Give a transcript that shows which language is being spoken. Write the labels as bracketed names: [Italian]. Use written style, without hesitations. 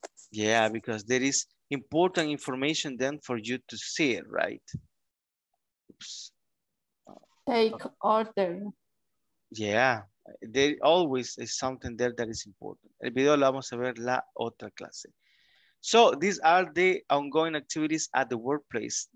[English] Yeah, because there is important information then for you to see it, right? Oops. Take order. Yeah, there always is something there that is important. [Spanish] El video lo vamos a ver la otra clase. [English] So these are the ongoing activities at the workplace.